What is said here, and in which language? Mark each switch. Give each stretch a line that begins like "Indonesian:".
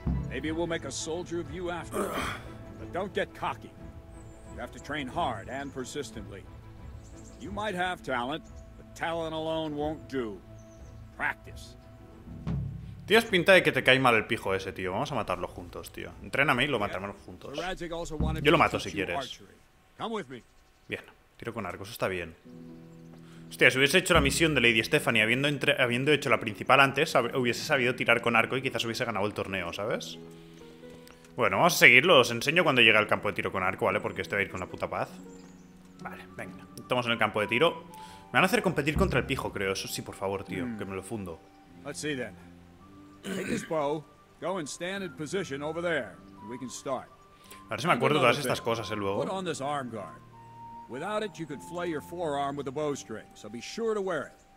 English: Maybe we'll make a soldier of you after all. But don't get cocky. You have to train hard and persistently. You might have talent, but talent alone won't do. Practice.
Spanish: Tienes pinta de que te cae mal el pijo ese, tío. Vamos a matarlo juntos, tío. Entréname y lo matamos juntos. Yo lo mato si quieres. Bien, tiro con arco, eso está bien. Hostia, si hubiese hecho la misión de Lady Stephanie habiendo hecho la principal antes, hubiese sabido tirar con arco y quizás hubiese ganado el torneo, ¿sabes? Bueno, vamos a seguirlo. Os enseño cuando llegue al campo de tiro con arco, ¿vale? Porque este va a ir con la puta paz. Vale, venga. Estamos en el campo de tiro. Me van a hacer competir contra el pijo, creo. Eso sí, por favor, tío. Que me lo fundo. Vamos a ver, entonces.
English: Take this bow. Go and stand in position over there. We can start.
Spanish: A ver si me acuerdo de todas estas cosas, luego.
English: Put on this arm guard. Without it, you could flay your forearm with a bowstring, so be sure to wear it.